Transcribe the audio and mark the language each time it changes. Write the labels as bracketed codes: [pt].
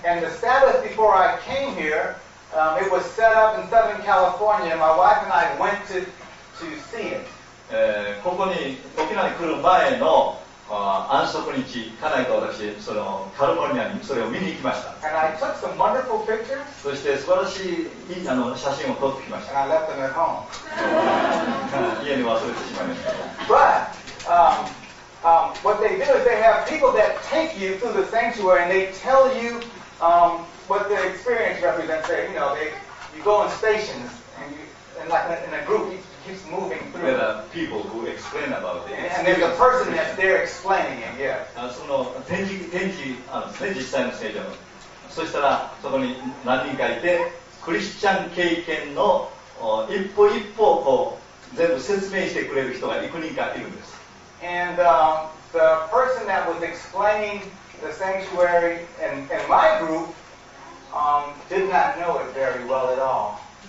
[en] And the Sabbath before I came here, it was set up in Southern California. My wife and I went to see it. [ja] ここに沖縄に来る前の安息日、家内と私、そのカリフォルニアにそれを見に行きました。 [en] And I took some wonderful pictures. [ja] そして素晴らしい写真を撮ってきました。 [en] And I left them at home. [ja] 家に忘れてしまいました。 [en] But what they do is they have people that take you through the sanctuary and they tell you what their experience represents. You know, you go in stations and in a group keeps moving through. There are people who explain about it. And there's a person that's there explaining it, yeah. [ja] その展示したいの聖女の。そしたらそこに何人かいて、クリスチャン経験の一歩一歩をこう全部説明してくれる人が幾人かいるんです。 [en] And the person that was explaining the sanctuary in my group did not know it very well at all.